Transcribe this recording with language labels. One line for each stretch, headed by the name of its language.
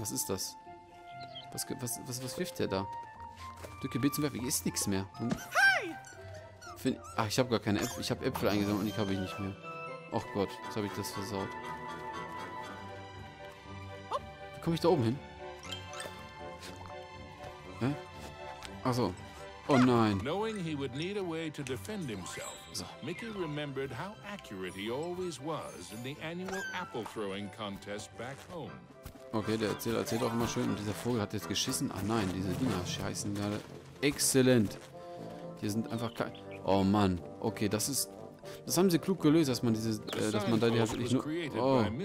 German: Was ist das? Was wirft der da? Drücke B zum Werfen. Hier ist nichts mehr. Ach, ich habe gar keine Äpfel. Ich habe Äpfel eingesammelt und die habe ich nicht mehr. Och Gott, jetzt habe ich das versaut. Wie komme ich da oben hin? Hä? Achso. Oh nein.
English: Knowing he would need a way to defend himself, Mickey remembered how accurate he always was in the annual apple throwing contest back home.
German: Okay, der erzählt auch immer schön. Und dieser Vogel hat jetzt geschissen. Ah nein, diese Dinger scheißen gerade. Exzellent. Hier sind einfach keine. Oh Mann. Okay, das ist. Das haben sie klug gelöst, dass man diese. Dass man da die halt nicht nur. Oh.